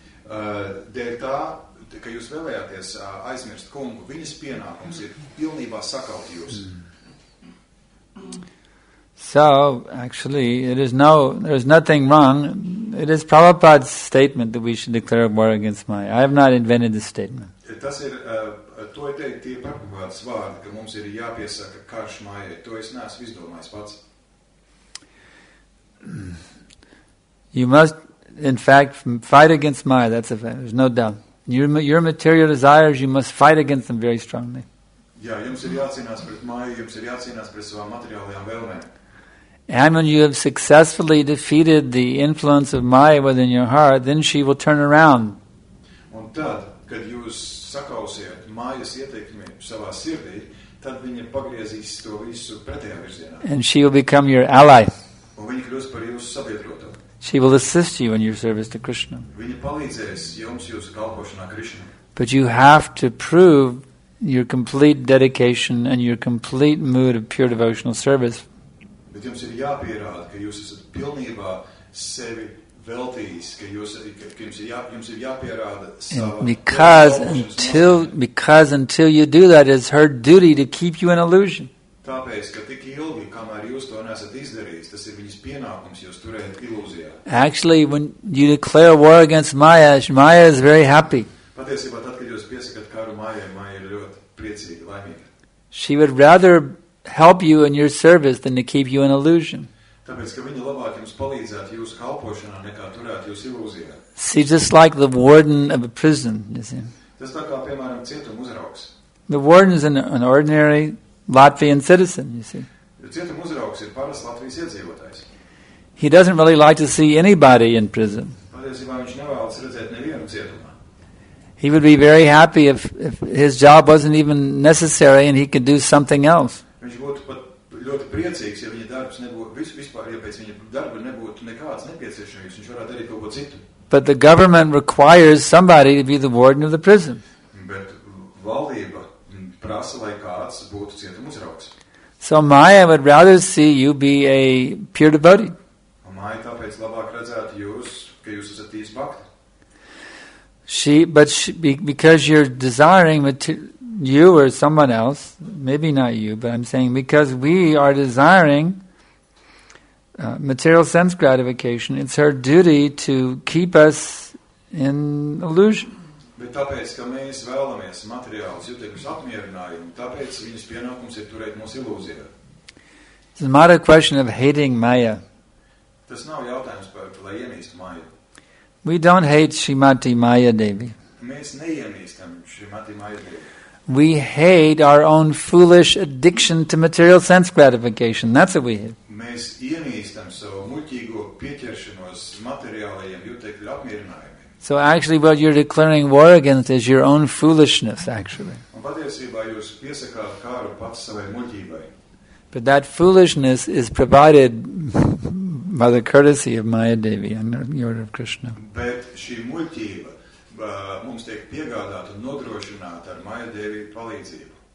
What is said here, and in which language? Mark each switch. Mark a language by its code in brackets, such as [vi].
[lv] Dēļ tā, ka jūs vēlējāties aizmirst kungu, viņas pienākums ir pilnībā sakaut jūs. [en] So, actually, there is nothing wrong. It is Prabhupada's statement that we should declare war against Maya. I have not invented this statement. [lv] Tas ir, to ir teikt, tie Prabhupādas vārdi, ka mums ir jāpiesaka karš Maya. To es neesmu izdomājis pats. [en] You must, in fact, fight against Maya. That's a fact. There's no doubt. Your material desires, you must fight against them very strongly. [lv] Jā, jums ir jācīnās pret Maya, jums ir jācīnās pret savām materiālajām vēlmēm. [en] And when you have successfully defeated the influence of Maya within your heart, then she will turn around. [lv] Un tad, kad jūs sakausiet Mayas ietekmi savā sirdī, tad viņa pagriezīs to visu pretējā virzienā. [en] And she will become your ally. [lv] Un viņa kļūs par jūsu sabiedroto. [en] She will assist you in your service to Krishna. [lv] Viņa palīdzēs jums jūsu kalpošanā Krishna. [en] But you have to prove your complete dedication and your complete mood of pure devotional service. [lv] Bet jums ir jāpierāda, ka jūs esat pilnībā sevi veltījis, ka jūs, jums ir jāpierāda savu. [en] And because until you do that, it's her duty to keep you in illusion. [lv] Tāpēc, ka tik ilgi, kamēr jūs to nesat izdarījis, tas ir viņas pienākums, jūs turēt ilūzijā. [en] Actually, when you declare war against Maya, Maya is very happy. [lv] Patiesībā, tad, kad jūs piesakat karu Maya, Maya ir ļoti priecīga, laimīga. [en] She would rather help you in your service than to keep you in illusion. [lv] Tāpēc, ka viņa labāk jums palīdzēt jūsu kalpošanā, nekā turēt jūs ilūzijā. [en] She's just like the warden of a prison, you see. [lv] Tas tā kā, piemēram, cietuma uzraugs. [en] The warden is an ordinary Latvian citizen, you see. [lv] Cietuma uzraugs ir parasts Latvijas iedzīvotājs. [en] He doesn't really like to see anybody in prison. [lv] Patiesībā viņš nevēlas redzēt nevienu cietumā. [en] He would be very happy if his job wasn't even necessary and he could do something else. [lv] Viņš būtu pat ļoti priecīgs, ja viņa darbs nebūtu vispār, ja pēc viņa darba nebūtu nekāds nepieciešamības, viņš varētu darīt kaut ko citu. [en] But the government requires somebody to be the warden of the prison. [lv] Bet valdība prasa, lai kāds būtu cietuma uzraugs. [en] So Maya would rather see you be a pure devotee. [lv] Un Maya tāpēc labāk redzētu jūs, ka jūs esat tīrs bhakti. [en] Because you're desiring you or someone else, maybe not you, but I'm saying because we are desiring material sense gratification, it's her duty to keep us in illusion. [lv] Bet tāpēc, ka mēs vēlamies materiālus jūtības apmierinājumu, tāpēc viņas pienākums ir turēt mūsu ilūzijā. [en] It's not a question of hating Maya. [lv] Tas nav jautājums par, lai iemīstu Maya. [en] We don't hate Srimati Maya Devi. [lv] Mēs neiemīstam Srimati Maya Devi. [en] We hate our own foolish addiction to material sense gratification. That's what we hate. [lv] Mēs iemīstam savu muļķīgo pieķeršanos materiālajiem jūtekļu apmierinājumiem. [en] So actually what you're declaring war against is your own foolishness, actually. [lv] Un patiesībā jūs piesakāt kāru pats savai muļķībai. [en] But that foolishness is provided by the courtesy of Maya Devi and the order of Krishna. [lv] Bet šī muļķība mums tiek piegādāta un nodrošināta ar Maya Devi palīdzību.